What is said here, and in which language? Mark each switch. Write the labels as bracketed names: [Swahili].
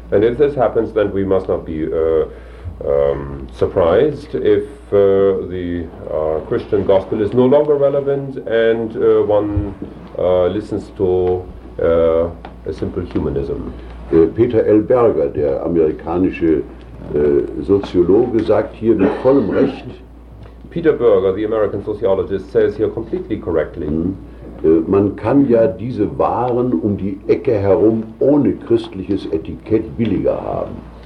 [English] And if this happens, then we must not be surprised if the Christian gospel is no longer relevant and one listens to a simple humanism. [German] Peter L. Berger, der amerikanische Soziologe, sagt hier mit vollem Recht. [English] Peter Berger, the American sociologist, says here completely correctly. [German] Man kann ja diese Waren um die Ecke herum ohne christliches Etikett billiger haben.